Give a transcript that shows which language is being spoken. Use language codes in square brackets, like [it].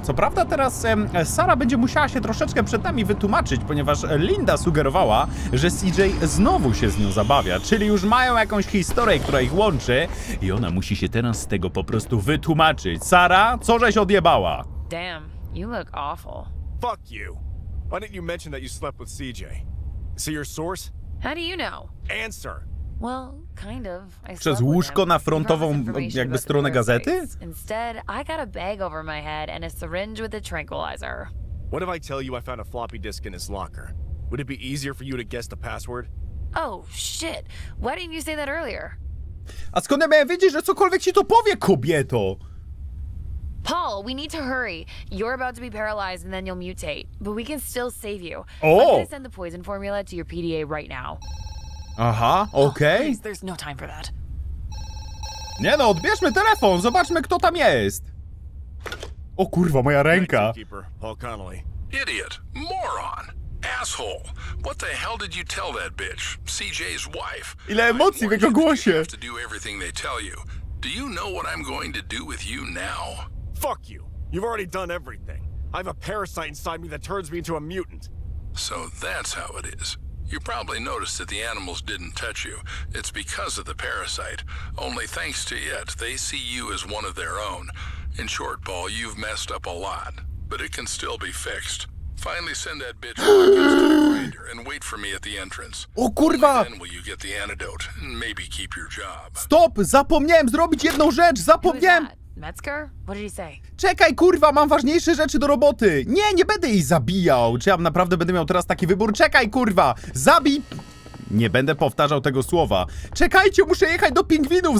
[pl] Co prawda teraz Sara będzie musiała się troszeczkę przed nami wytłumaczyć, ponieważ Linda sugerowała, że CJ znowu się z nią zabawia, czyli już mają jakąś historię, która ich łączy i ona musi się teraz z tego po prostu wytłumaczyć. Sara, co żeś odjebała? [en] Damn, you look awful. Fuck you. Why didn't you mention that you slept with CJ? Is he your source? How do you know? Answer. Well, kind of. [pl] Przez łóżko na frontową jakby stronę gazety? [en] Instead, I got a bag over my head and a syringe with a tranquilizer. What if I tell you I found a floppy disk in his locker? Would it be easier for you to guess the password? Oh, shit. Why didn't you say that earlier? [pl] A skąd ja miałem wiedzieć, że cokolwiek ci to powie, kobieto? [en] Paul, we need to hurry. You're about to be paralyzed and then you'll mutate. But we can still save you. Oh. I'm gonna send the poison formula to your PDA right now. [pl] Aha, okej. [en] Okay. Oh, there's no time for that. [pl] Nie no, odbierzmy telefon, zobaczmy kto tam jest. O kurwa, moja ręka. [en] Paul Connolly. Idiot, moron, asshole. What the hell did you tell that bitch, CJ's wife? [pl] Ile emocji w jego głosie. [en] You have to do everything they tell you. Do you know what I'm going to do with you now? Fuck you. You've already done everything. I have a parasite inside me that turns me into a mutant. So that's how it is. You probably noticed that the animals didn't touch you. It's because of the parasite. Only thanks to it, they see you as one of their own. In short, Paul, you've messed up a lot. But it can still be fixed. Finally send that bitch to the grinder and wait for me at the entrance. [pl] O kurwa! [en] Then will you get the antidote and maybe keep your job. Stop! [pl] Zapomniałem zrobić jedną rzecz! Zapomniałem! [en] Metzger? What did he say? [pl] Czekaj, kurwa, mam ważniejsze rzeczy do roboty! Nie, nie będę jej zabijał! Czy ja naprawdę będę miał teraz taki wybór? Czekaj, kurwa! Zabij! Nie będę powtarzał tego słowa. Czekajcie, muszę jechać do pingwinów!